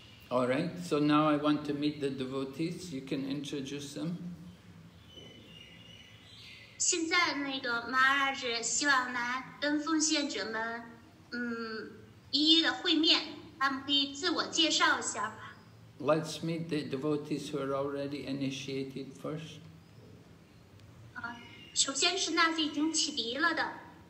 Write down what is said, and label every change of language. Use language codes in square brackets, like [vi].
[en] All right, so now I want to meet the devotees. You can introduce them. [zh] 现在那个 Maharaj 希望来跟奉献者们一一的会面，他们可以自我介绍一下吧。 [en] Let's meet the devotees who are already initiated first. [zh] 首先是那些已经启迪了的。